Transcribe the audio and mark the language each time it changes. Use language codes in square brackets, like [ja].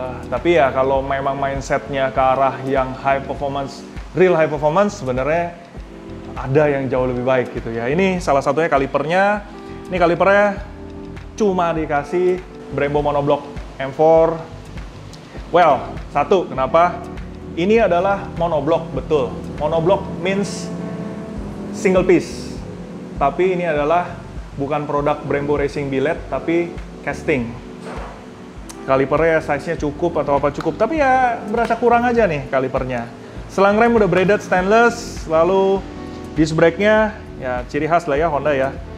[id] Tapi ya kalau memang mindsetnya ke arah yang high performance, real high performance, sebenarnya ada yang jauh lebih baik gitu ya. Ini salah satunya kalipernya. Ini kalipernya cuma dikasih Brembo monoblock M4. Well, satu, kenapa? Ini adalah monoblock, betul. [en] Monoblock means single piece. [id] Tapi ini adalah bukan produk Brembo Racing Billet, tapi casting. Kalipernya size-nya cukup atau apa cukup, tapi ya berasa kurang aja nih kalipernya. Selang rem udah braided stainless, lalu disc brake-nya, ya ciri khas lah ya Honda ya.